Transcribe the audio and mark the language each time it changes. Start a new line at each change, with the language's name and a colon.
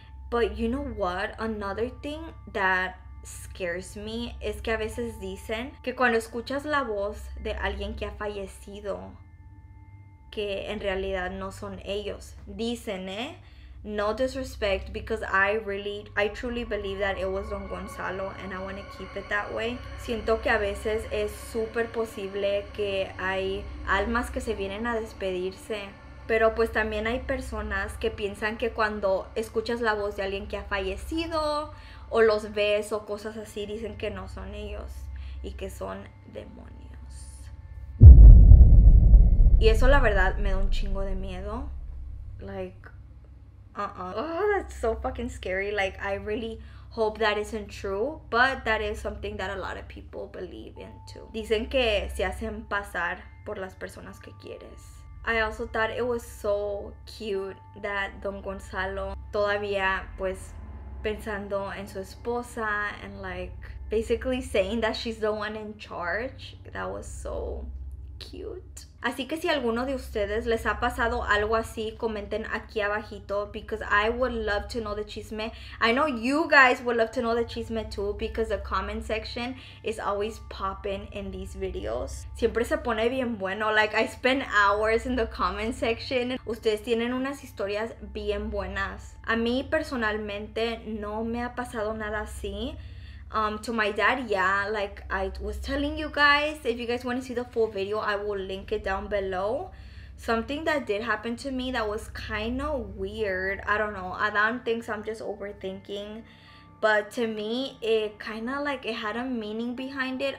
English: But you know what? Another thing that scares me is
Spanish: que a veces dicen que cuando escuchas la voz de alguien que ha fallecido, que en realidad no son ellos. Dicen, ¿eh?
English: No disrespect, because I truly believe that it was Don Gonzalo and I want to keep it that way.
Spanish: Siento que a veces es súper posible que hay almas que se vienen a despedirse, pero pues también hay personas que piensan que cuando escuchas la voz de alguien que ha fallecido o los ves o cosas así, dicen que no son ellos y que son demonios. Y eso la verdad me da un chingo de miedo.
English: Like, oh, that's so fucking scary. Like, I really hope that isn't true, but that is something that a lot of people believe in too.
Spanish: Dicen que se hacen pasar por las personas que quieres.
English: I also thought it was so cute that Don Gonzalo
Spanish: todavía pues pensando en su esposa
English: and like basically saying that she's the one in charge. That was so cute.
Spanish: Así que si alguno de ustedes les ha pasado algo así, comenten aquí abajito,
English: because I would love to know the chisme. I know you guys would love to know the chisme too, because the comment section is always popping in these videos.
Spanish: Siempre se pone bien bueno.
English: Like, I spend hours in the comment section.
Spanish: Ustedes tienen unas historias bien buenas. A mí personalmente no me ha pasado nada así.
English: To my dad, yeah, like I was telling you guys, if you guys want to see the full video, I will link it down below. Something that did happen to me that was kind of weird, I don't know, Adam thinks I'm just overthinking, but to me, it kind of like it had a meaning behind it.